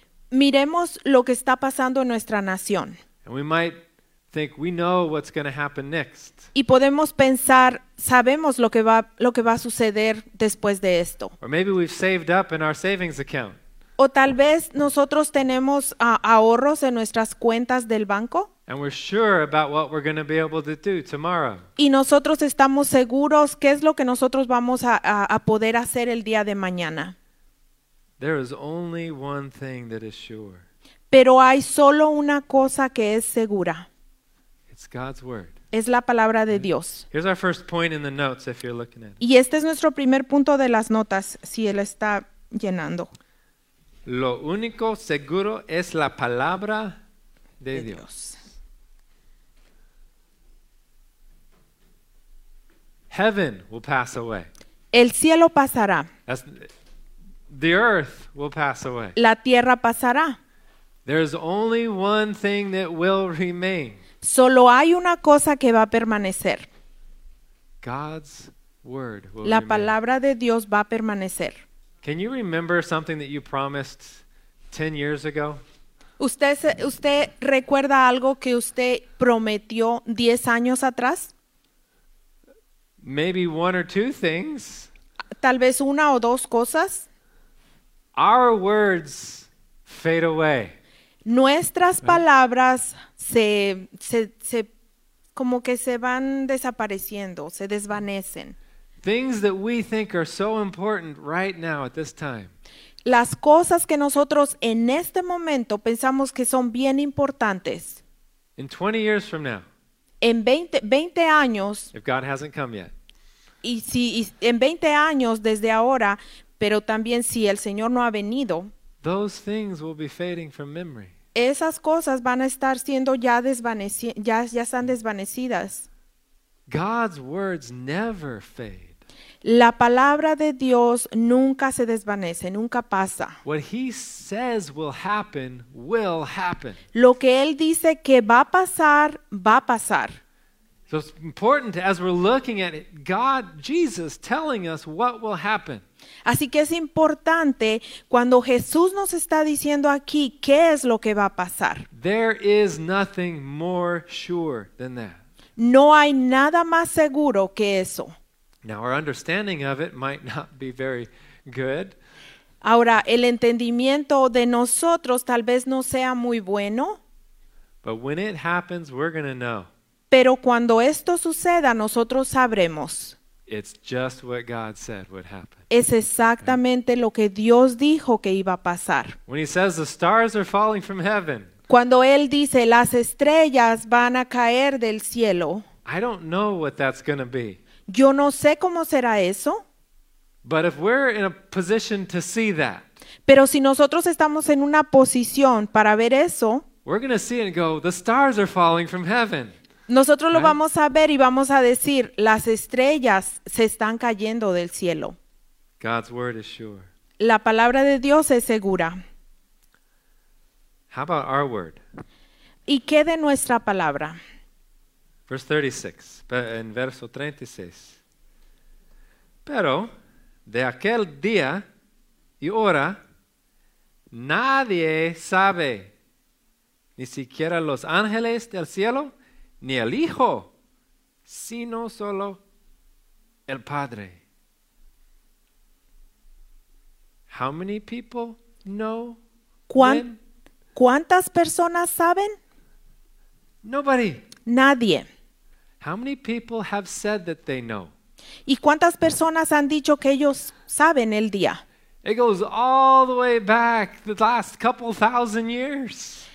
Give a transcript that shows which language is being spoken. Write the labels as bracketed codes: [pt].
[es] Miremos lo que está pasando en nuestra nación. [en] And we might think we know what's going to happen next. [es] Y podemos pensar, sabemos lo que va a suceder después de esto. [en] Or maybe we've saved up in our savings account. [es] O tal vez nosotros tenemos ahorros en nuestras cuentas del banco. [en] And we're sure about what we're going to be able to do tomorrow. [es] Y nosotros estamos seguros qué es lo que nosotros vamos a poder hacer el día de mañana. [en] There is only one thing that is sure. [es] Pero hay solo una cosa que es segura. [en] It's God's word. [es] Es la palabra de Dios. [en] Here's our first point in the notes if you're looking at. [es] Y este es nuestro primer punto de las notas si él está llenando. Lo único seguro es la palabra de Dios. Dios. [en] Heaven will pass away. [es] El cielo pasará. [en] That's, the earth will pass away. [es] La tierra pasará. [en] There's only one thing that will remain. [es] Solo hay una cosa que va a permanecer. [en] God's word will remain. [es] La palabra de Dios va a permanecer. [en] Can you remember something that you promised 10 years ago? [es] ¿Usted recuerda algo que usted prometió 10 años atrás? [en] Maybe one or two things. [es] Tal vez una o dos cosas. [en] Our words fade away. [es] Nuestras palabras se como que se van desapareciendo, se desvanecen. [en] Things that we think are so important right now at this time. [es] Las cosas que nosotros en este momento pensamos que son bien importantes. [en] In 20 years from now. [es] En 20 años. [en] If God hasn't come yet. [es] Y en 20 años desde ahora, pero también si el Señor no ha venido. [en] Those things will be fading from memory. [es] Esas cosas van a estar siendo ya están desvanecidas. [en] God's words never fade. [es] La palabra de Dios nunca se desvanece, nunca pasa. [en] What he says will happen, will happen. [es] Lo que él dice que va a pasar, va a pasar. [en] So it's important as we're looking at it, God, Jesus, telling us what will happen. [es] Así que es importante cuando Jesús nos está diciendo aquí qué es lo que va a pasar. [en] There is nothing more sure than that. [es] No hay nada más seguro que eso. [en] Now our understanding of it might not be very good. [es] Ahora, el entendimiento de nosotros tal vez no sea muy bueno. [en] But when it happens, we're going to know. [es] Pero cuando esto suceda, nosotros sabremos. [en] It's just what God said would happen. [es] Es exactamente lo que Dios dijo que iba a pasar. [en] When he says the stars are falling from heaven. [es] Cuando él dice las estrellas van a caer del cielo. [en] I don't know what that's going to be. [es] Yo no sé cómo será eso. [en] But if we're in a position to see that. [es] Pero si nosotros estamos en una posición para ver eso. [en] We're going to see and go, the stars are falling from heaven. [es] Nosotros lo vamos a ver y vamos a decir, las estrellas se están cayendo del cielo. [en] God's word is sure. [es] La palabra de Dios es segura. [en] How about our word? [es] ¿Y qué de nuestra palabra? Verso 36. Pero de aquel día y hora nadie sabe, ni siquiera los ángeles del cielo, ni el Hijo, sino solo el Padre. [en] How many people know? [es] ¿Cuántas personas saben? [en] Nobody. [es] Nadie. [en] How many people have said that they know? [es] ¿Y cuántas personas han dicho que ellos saben el día? [en] It goes all the way back the last couple thousand years.